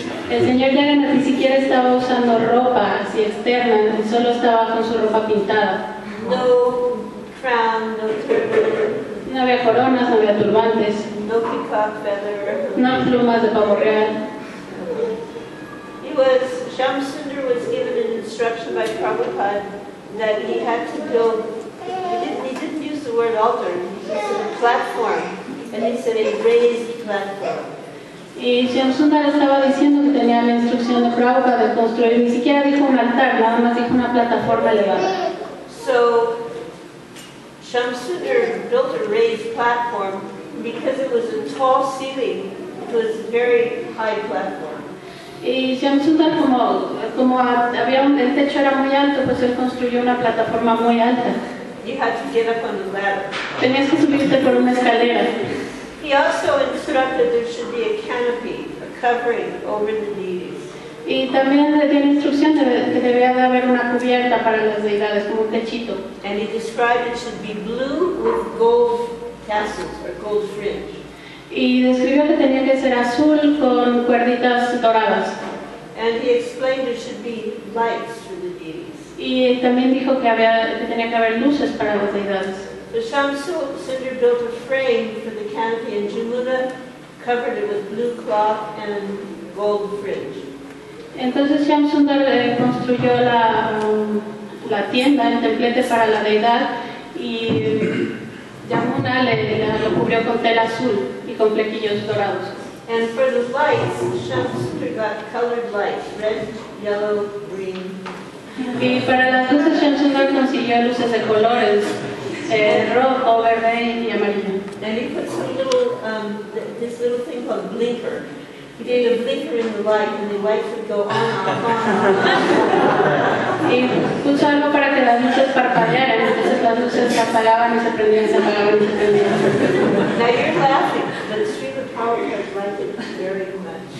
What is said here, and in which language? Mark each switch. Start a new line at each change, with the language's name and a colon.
Spanish: El señor Jagannath ni siquiera estaba usando ropa así externa, solo estaba con su ropa pintada.
English: No crown, no turban.
Spanish: No había coronas, no había turbantes.
English: No peacock feather.
Spanish: No plumas de pavo real.
English: He was, Shyamasundar was given an instruction by Prabhupada that he had to build, he didn't use the word altar, he said a platform, and he said a raised platform.
Spanish: Y Shyamasundara estaba diciendo que tenía la instrucción de Prabhupada de construir, ni siquiera dijo un altar, nada más dijo una plataforma elevada.
English: So, Shyamasundara built a raised platform because it was a tall ceiling, it was a very high platform.
Spanish: Y Shyamasundara, como había un el techo era muy alto, pues él construyó una plataforma muy alta.
English: You had to get up on the ladder.
Spanish: Tenías que subirte por una escalera.
English: He also instructed there should be a canopy, a covering over the deities.
Spanish: Y también le dio instrucción de que debía de haber una cubierta para las deidades, como un techito.
English: And he described it should be blue with gold tassels or gold fringe.
Spanish: Y describió que tenía que ser azul con cuerditas doradas.
English: And he explained there should be lights for the deities.
Spanish: Y también dijo que tenía que haber luces para las deidades.
English: The Shyamasundara built a frame for the canopy and Jamuna covered it with blue cloth and gold fringe.
Spanish: Entonces Shyamasundara construyó la tienda, el templete para la deidad y Jamuna lo cubrió con tela azul y con flequillos dorados.
English: And for the lights, Shyamasundara got colored lights, red, yellow, green.
Spanish: Y para las luces Shyamasundara consiguió luces de colores. Rojo, verde y amarillo.
English: And he put some little, this little thing called blinker. He did a blinker in the light and the lights would go on and on.
Spanish: Y puso algo para que las luces parpadearan, entonces las luces se apagaban y se prendían, se apagaban y se prendían.
English: Now you're laughing, but Srila Prabhupada liked it very much.